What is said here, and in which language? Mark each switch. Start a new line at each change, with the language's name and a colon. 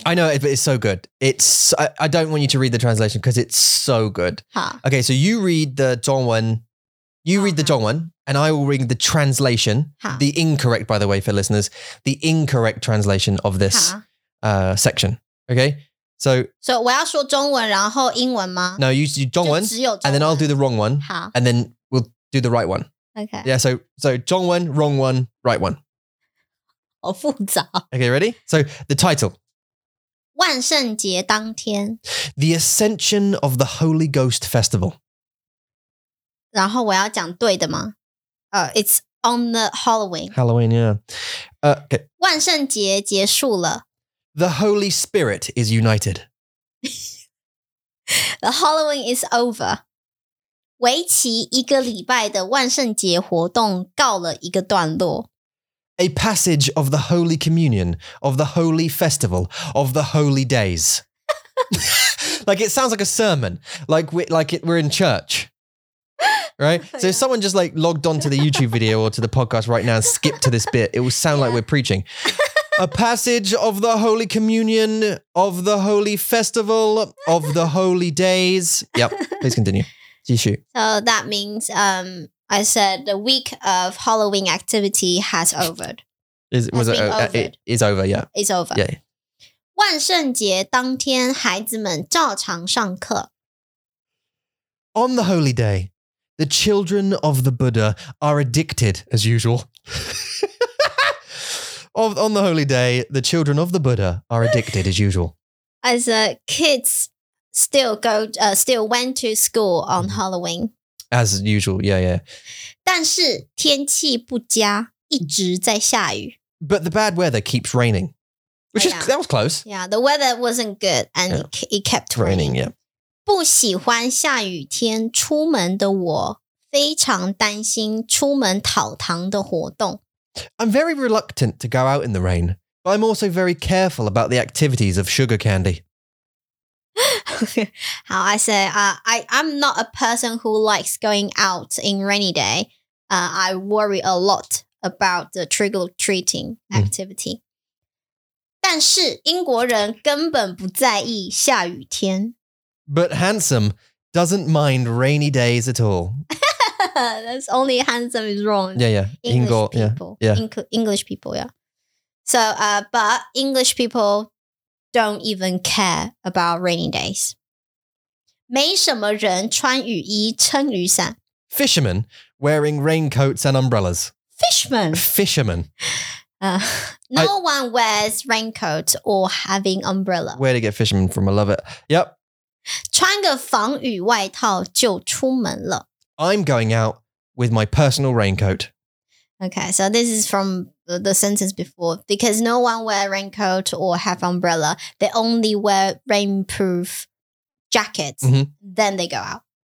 English: I know, but it's so good. I don't want you to read the translation because it's so good. Okay, so you read the 中文. You read the 中文, and I will read the translation. The incorrect, by the way, for listeners, the incorrect translation of this section. Okay. So
Chinese: 我要说中文然后英文吗?
English: No, you do 中文, and then I'll do the wrong one, and then we'll do the right one. Okay. Yeah, so 中文, wrong one, right one.
Chinese: 好复杂。
English: Okay, ready? So the title.
Chinese: 万圣节当天。
English: The Ascension of the Holy Ghost Festival.
Chinese: 然后我要讲对的吗？
English: It's on the Halloween. Halloween, yeah. Okay.
Chinese: 万圣节结束了。
English: The Holy Spirit is united. The Halloween is over.
Chinese: 为期一个礼拜的万圣节活动告了一个段落。
English: A passage of the Holy Communion, of the Holy Festival, of the Holy Days. Like, it sounds like a sermon. Like we're in church. Right? So if someone just like logged on to the YouTube video or to the podcast right now and skipped to this bit, it will sound like we're preaching. A passage of the Holy Communion, of the Holy Festival, of the Holy Days. Yep. Please continue. Issue. So that means... I said the week of Halloween activity has overed. Is over, yeah. It's over. Yeah.
Chinese: 万圣节当天孩子们照常上课。
English: On the holy day, the children of the Buddha are addicted, as usual. On the holy day, the children of the Buddha are addicted, as usual. As kids still went to school on Halloween. As usual, yeah, yeah.
Chinese: 但是天气不佳，一直在下雨。
English: But the bad weather keeps raining. Which is, that was close. Yeah, the weather wasn't good and it kept raining. Yeah.
Chinese: 不喜欢下雨天出门的我非常担心出门讨糖的活动。
English: I'm very reluctant to go out in the rain, but I'm also very careful about the activities of sugar candy. How I say, I'm not a person who likes going out in rainy day. I worry a lot about the trick-or-treating activity.
Chinese: 但是英国人根本不在意下雨天。
English: But handsome doesn't mind rainy days at all. That's only handsome is wrong. Yeah, yeah. English people. So, but English people... Don't even care about rainy days.
Chinese: 没什么人穿雨衣撑雨伞。
English: Fishermen wearing raincoats and umbrellas. Fishermen. No one wears raincoats or having umbrella. Where to get fishermen from? I love it. Yep.
Chinese: 穿个防雨外套就出门了。
English: I'm going out with my personal raincoat. Okay, so this is from... the sentence before, because no one wear raincoat or have umbrella, they only wear rainproof jackets, then they go out.